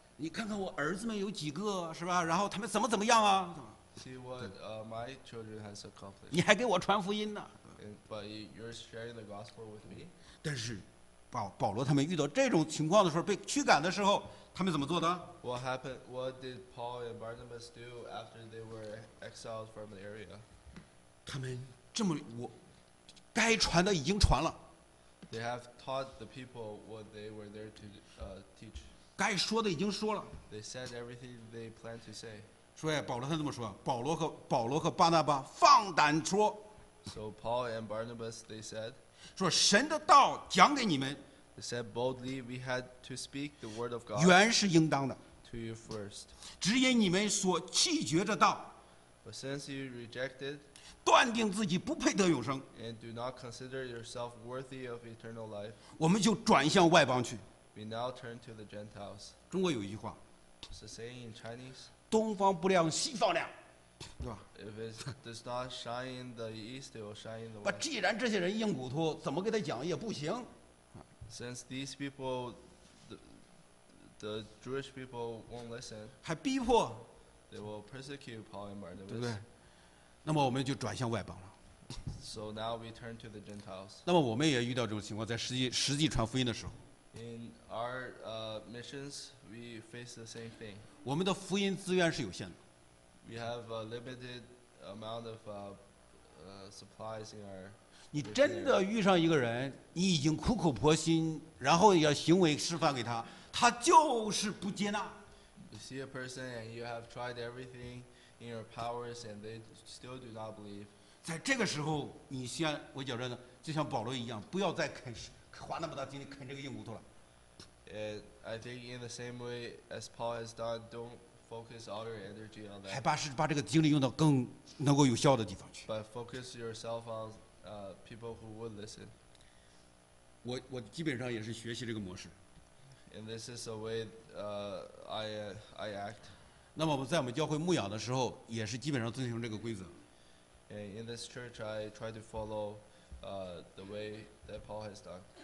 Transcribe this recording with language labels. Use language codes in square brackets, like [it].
[zh] 你看看我儿子们有几个是吧？然后他们怎么怎么样啊 [en] ？See what my children has accomplished. [zh] 你还给我传福音呢 [en] ？But you're sharing the gospel with me. [zh] 但是，保罗他们遇到这种情况的时候，被驱赶的时候，他们怎么做的 [en] ？What happened? What did Paul and Barnabas do after they were exiled from the area? [zh] 他们这么我该传的已经传了。 [en] They have taught the people what they were there to teach. [zh] 该说的已经说了。 [en] They said everything they planned to say. [zh] 所以保罗他这么说，保罗和巴拿巴放胆说。 [en] So Paul and Barnabas they said. [zh] 说神的道讲给你们。 [en] They said boldly, we had to speak the word of God. [zh] 原是应当的。 [en] To you first. [zh] 只因你们所弃绝的道。 [en] But since you rejected. [zh] 断定自己不配得永生。 [en] And do not consider yourself worthy of eternal life. [zh] 我们就转向外邦去。 [en] We now turn to the Gentiles. [zh] 中国有一句话。 [en] It's a saying in Chinese. [zh] 东方不亮西方亮。 [en] If it does not shine in the east, it will shine in the west. [zh] 既然这些人硬骨头，怎么给他讲也不行。 [en] Since these people, the Jewish people won't listen, [zh] 还逼迫 [en] they will persecute Paul and Barnabas. [zh] 对不对？那么我们就转向外邦了。 [en] So now we turn to the Gentiles. [zh] 那么我们也遇到这种情况，在实际传福音的时候。 [en] In our missions, we face the same thing. [zh] 我们的福音资源是有限的。 [en] We have a limited amount of supplies in our. [zh] 你真的遇上一个人，你已经苦口婆心，然后要行为示范给他，他就是不接纳。 [en] You see a person and you have tried everything in your powers and they still do not believe. [zh] 在这个时候，你先我觉着呢，就像保罗一样，不要再啃，花那么大精力啃这个硬骨头了。 [en] I think in the same way as Paul has done, don't. Focus all your energy on that. [zh] 还把这个精力用到更能够有效的地方去。 [en] But focus yourself on people who would listen. [zh] 我基本上也是学习这个模式。 [en] And this is the way I act. [zh] 那么我们在我们教会牧养的时候，也是基本上遵循这个规则。 [en] And in this church, I try to follow the way that Paul has done.